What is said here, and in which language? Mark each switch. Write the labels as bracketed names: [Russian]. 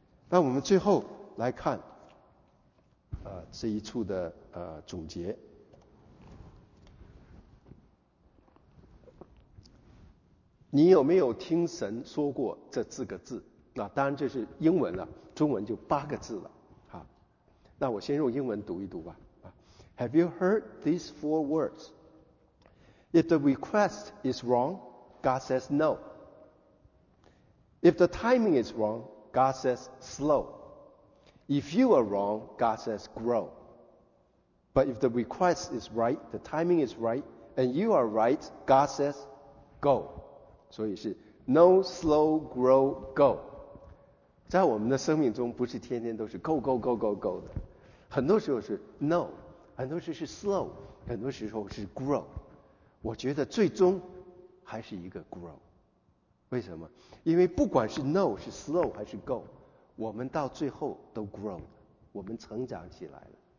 [Chinese] 那我们最后来看这一处的总结。你有没有听神说过这四个字？那当然这是英文了，中文就八个字了。好，那我先用英文读一读吧。 [English] Have you heard these four words? If the request is wrong, God says no. If the timing is wrong, God says slow. If you are wrong, God says grow. But if the request is right, the timing is right, and you are right, God says go. [Chinese] 所以是 [English] no, slow, grow, go. [Chinese] 在我们的生命中，不是天天都是 [English] go go go go go [Chinese] 的，很多时候是 no， 很多时候是 slow， 很多时候是 grow。我觉得最终还是一个 grow。为什么？因为不管是 no 是 slow 还是 go， 我们到最后都 grow， 我们成长起来了。